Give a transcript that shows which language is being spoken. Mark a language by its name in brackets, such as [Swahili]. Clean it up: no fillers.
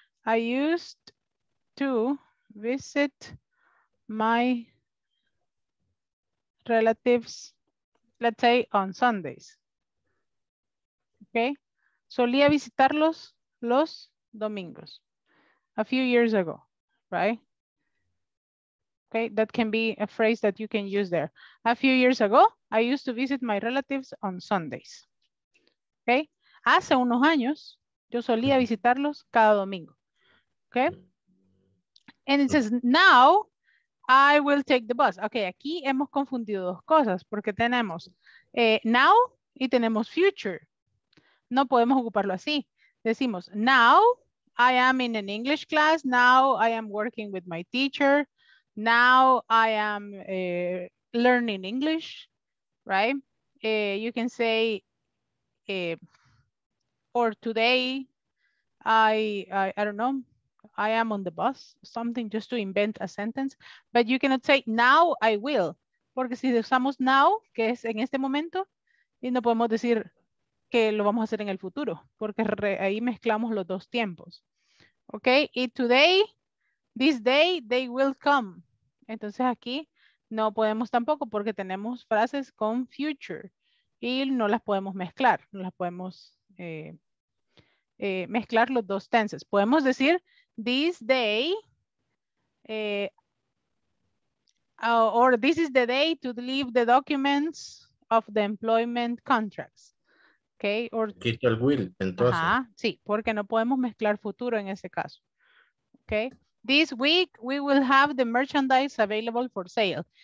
[English] I used to visit my relatives, let's say on Sundays. Okay. [Spanish] Solía visitarlos los domingos. [English] A few years ago, right? Okay, that can be a phrase that you can use there. A few years ago, I used to visit my relatives on Sundays. Okay. Hace unos años, yo solía visitarlos cada domingo. Okay. And it says, now I will take the bus. [Spanish] Ok, aquí hemos confundido dos cosas porque tenemos now y tenemos future. No podemos ocuparlo así. Decimos, [English] now I am in an English class. Now I am working with my teacher. Now I am learning English, right? You can say, or today, I don't know. I am on the bus, something just to invent a sentence, but you cannot say now I will, [Spanish] porque si usamos now, que es en este momento, y no podemos decir que lo vamos a hacer en el futuro, porque ahí mezclamos los dos tiempos. [English] Okay, y today, this day, they will come. [Spanish] Entonces aquí no podemos tampoco porque tenemos frases con future y no las podemos mezclar, no las podemos mezclar los dos tenses. Podemos decir [English] this day, or this is the day to leave the documents of the employment contracts. Okay, or [Spanish] quito el will, entonces. Ajá, sí, porque no podemos mezclar futuro en ese caso. [English] Okay, this week we will have the merchandise available for sale.